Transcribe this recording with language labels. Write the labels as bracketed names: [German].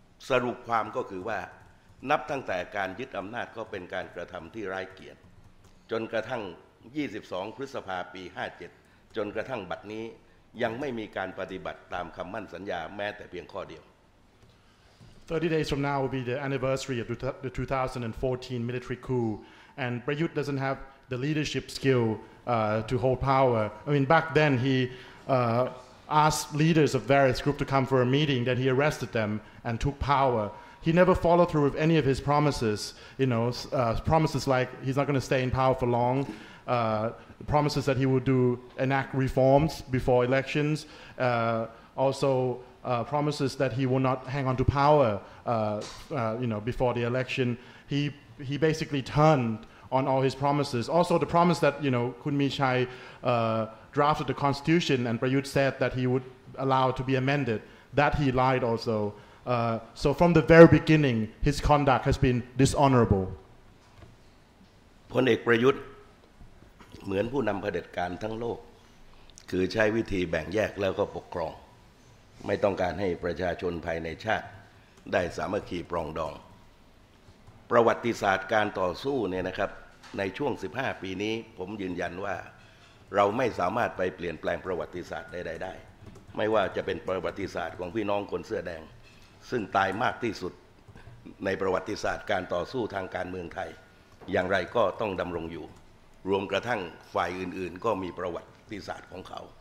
[Thai] สรุปความก็คือว่านับตั้งแต่การยึดอำนาจก็เป็นการกระทำที่ไร้เกียรติจนกระทั่ง22พฤษภาคมปี57จนกระทั่งบัดนี้ยังไม่มีการปฏิบัติตามคำมั่นสัญญาแม้แต่เพียงข้อเดียว [English] 30 days from now will be the anniversary of the 2014 military coup, and Prayut doesn't have the leadership skill to hold power. I mean, back then he asked leaders of various groups to come for a meeting, then he arrested them and took power. He never followed through with any of his promises, you know, promises like he's not going to stay in power for long, promises that he will enact reforms before elections, promises that he will not hang on to power, before the election. He basically turned on all his promises. Also, the promise that, you know, Khun Mi Chai drafted the constitution and Prayut said that he would allow it to be amended, that he lied also. So from the very beginning, his conduct has been dishonorable. [Thai] Phon Ek Prayut, เหมือนผู้นำเผด็จการทั้งโลกคือใช้วิธีแบ่งแยกแล้วก็ปกครองไม่ต้องการให้ประชาชนภายในชาติได้สามัคคีปรองดอง ประวัติศาสตร์การต่อสู้เนี่ยนะครับในช่วง15ปีนี้ผมยืนยันว่าเราไม่สามารถไปเปลี่ยนแปลงประวัติศาสตร์ใดๆได้ไม่ว่าจะเป็นประวัติศาสตร์ของพี่น้องคนเสื้อแดงซึ่งตายมากที่สุดในประวัติศาสตร์การต่อสู้ทางการเมืองไทยอย่างไรก็ต้องดำรงอยู่รวมกระทั่งฝ่ายอื่นๆก็มีประวัติศาสตร์ของเขา